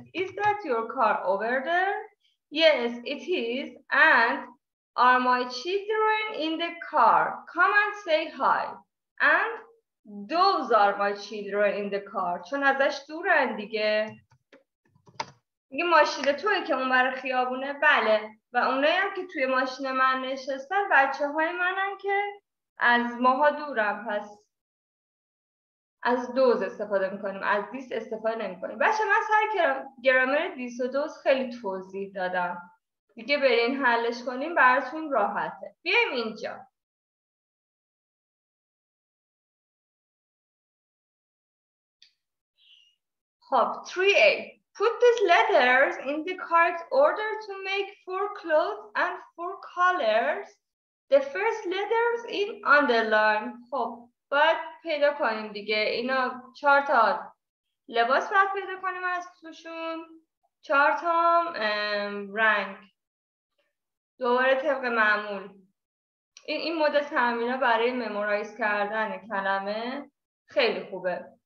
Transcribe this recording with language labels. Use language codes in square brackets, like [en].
[en] Is that your car over there؟ Yes it is. And are my children in the car؟ Come and say hi. And those are my children in the car. [fa] چون ازش دورن دیگه. میگه ماشین توی که اون برای خیابونه؟ بله. و اونایی هم که توی ماشین من نشستن بچه های منن که از ماها دورم. پس از دوز استفاده میکنیم، از دیس استفاده نمیکنیم. بچه من سر گرامر دیس و دوز خیلی توضیح دادم دیگه، برین حلش کنیم براتون راحته. بیایم اینجا خب 3A. [en] Put these letters in the correct order to make four clothes and four colors. The first letters in underline. [fa] خب باید پیدا کنیم دیگه. اینا چهار تا لباس باید پیدا کنیم از توشون. چهار تا رنگ. دوباره طبق معمول. این مدل تمرینا برای ممورایز کردن کلمه خیلی خوبه.